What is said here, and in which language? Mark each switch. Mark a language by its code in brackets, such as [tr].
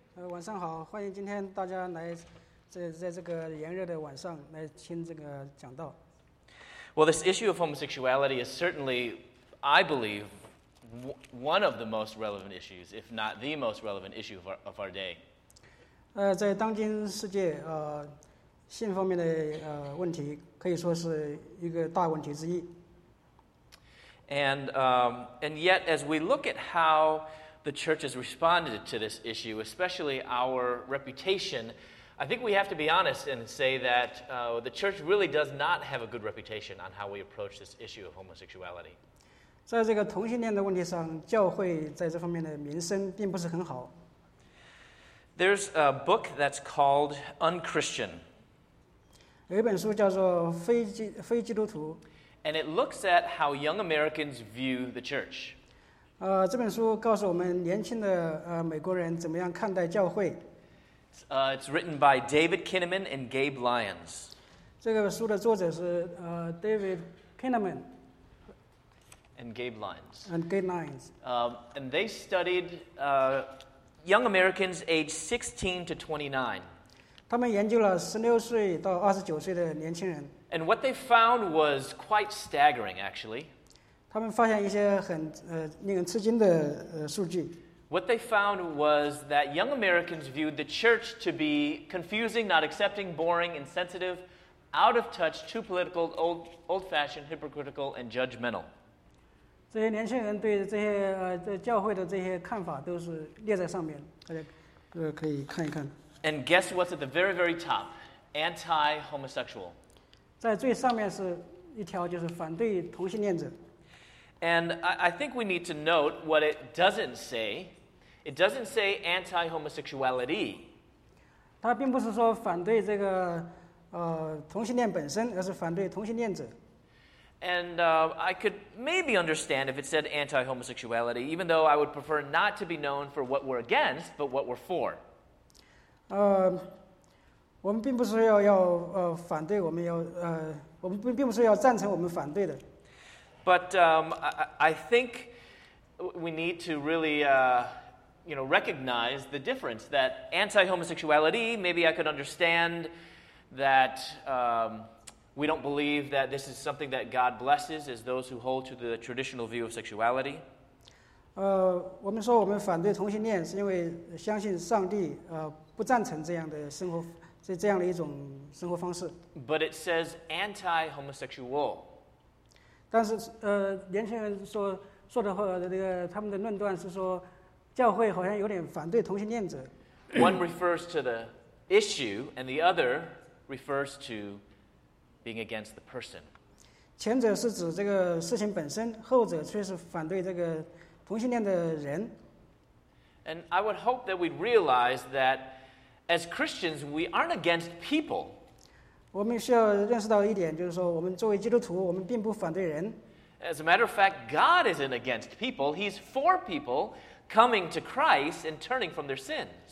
[zh] 晚上好，欢迎今天大家来在这个炎热的晚上来听这个讲道。 [en] Well, this issue of homosexuality is certainly, I believe, one of the most relevant issues, if not the most relevant issue of our day. [zh] 在当今世界，性方面的问题可以说是一个大问题之一。 [en] And yet, as we look at how the church has responded to this issue, especially our reputation, I think we have to be honest and say that the church really does not have a good reputation on how we approach this issue of homosexuality. [zh] 在这个同性恋的问题上，教会在这方面的名声并不是很好。 [en] There's a book that's called Unchristian. [zh] 有一本书叫做非基督徒。 [en] And it looks at how young Americans view the church. [zh] 这本书告诉我们年轻的美国人怎么样看待教会。 [en] It's written by David Kinnaman and Gabe Lyons. [zh] 这个书的作者是David Kinnaman. [en] And Gabe Lyons. And Gabe Lyons. And they studied young Americans aged 16 to 29. [zh] 他们研究了十六岁到二十九岁的年轻人。 [en] And what they found was quite staggering, actually. [zh] 他们发现一些很令人吃惊的数据。 [en] What they found was that young Americans viewed the church to be confusing, not accepting, boring, insensitive, out of touch, too political, old-fashioned, hypocritical, and judgmental. [zh] 这些年轻人对这些教会的这些看法都是列在上面，大家可以看一看。 [en] And guess what's at the very, very top? Anti-homosexual. [zh] 在最上面是一条就是反对同性恋者。 [en] And I think we need to note what it doesn't say. It doesn't say anti-homosexuality. [zh] 它并不是说反对这个同性恋本身，而是反对同性恋者。 [en] And I could maybe understand if it said anti-homosexuality, even though I would prefer not to be known for what we're against, but what we're for. [zh] 我们并不是要反对，我们要我们并不是要赞成我们反对的。 [en] But I think we need to really, you know, recognize the difference that anti-homosexuality. Maybe I could understand that. We don't believe that this is something that God blesses as those who hold to the traditional view of sexuality. [zh] 我们说我们反对同性恋，是因为相信上帝不赞成这样的生活，是这样的一种生活方式。 [en] But it says anti-homosexual. [zh] 但是年轻人说的话，这个他们的论断是说，教会好像有点反对同性恋者。 [en] One refers to the issue, and the other refers to. Being against the person. [zh] 前者是指这个事情本身，后者却是反对这个同性恋的人。 [en] And I would hope that we'd realize that as Christians, we aren't against people. [zh] 我们需要认识到一点，就是说，我们作为基督徒，我们并不反对人。 [en] As a matter of fact, God isn't against people. He's for people coming to Christ and turning from their sins.